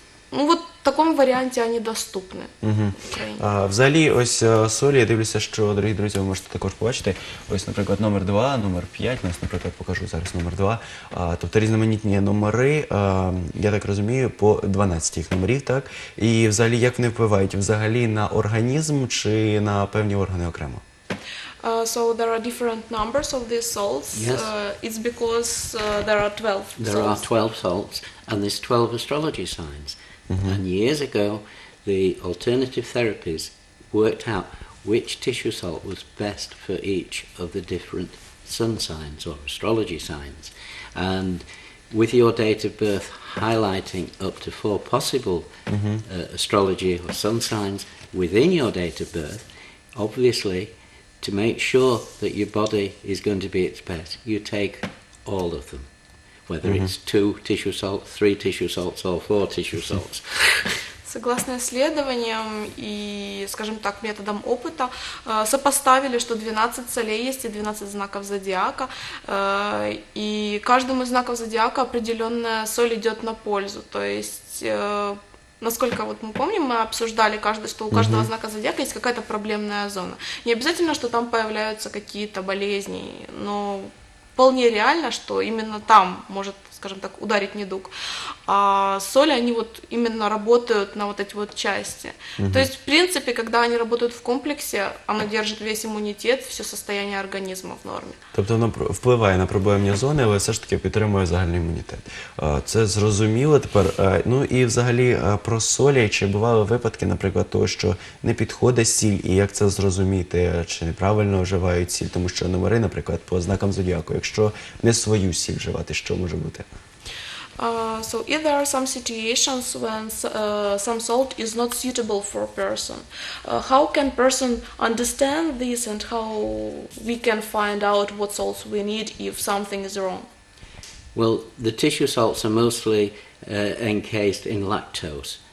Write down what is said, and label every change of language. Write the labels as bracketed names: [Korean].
[Russian] Ну вот в таком варианте они доступны. [Ukrainian] Взагалі, ось солі, я дивлюся, що, дорогі друзі, ви можете також побачити. Ось, наприклад, номер 2, номер 5, ось, наприклад, покажу зараз номер 2. Тобто різноманітні номери, я так розумію, по 12 їх номерів, так? І взагалі, як вони впливають? Взагалі на організм чи на певні органи окремо? [English] So there are different numbers of these salts. Yes. It's because there are 12 salts. There are 12 salts, and there's 12 astrology signs. Mm-hmm. And years ago, the alternative therapies worked out which tissue salt was best for each of the different sun signs or astrology signs. And with your date of birth highlighting up to four possible astrology or sun signs within your date of birth, obviously, to make sure that your body is going to be its best, you take all of them, whether it's two tissue salts, three tissue salts, or four tissue salts. [Russian] Согласно исследованиям и, скажем так, методам опыта, сопоставили, что 12 солей есть и 12 знаков зодиака, и каждому из знаков зодиака определенная соль идет на пользу. То есть, насколько вот мы помним, мы обсуждали, что у каждого знака зодиака есть какая-то проблемная зона. Не обязательно, что там появляются какие-то болезни, но вполне реально, что именно там может, скажем так, ударить недуг. А соли, они вот именно работают на вот эти вот части. То есть, в принципе, когда они работают в комплексе, оно держит весь иммунитет, все состояние организма в норме. [Ukrainian] Тобто воно впливає на проблемні зони, але все ж таки підтримує загальний імунітет. Це зрозуміло тепер. Ну і взагалі про солі, чи бували випадки, наприклад, того, що не підходить сіль, і як це зрозуміти, чи неправильно вживають сіль, тому що номери, наприклад, по знакам зодіаку, якщо не свою сіль вживати, що може бути? [English] So if there are some situations when some salt is not suitable for a person, how can person understand this and how we can find out what salts we need if something is wrong? Well, the tissue salts are mostly encased in lactose.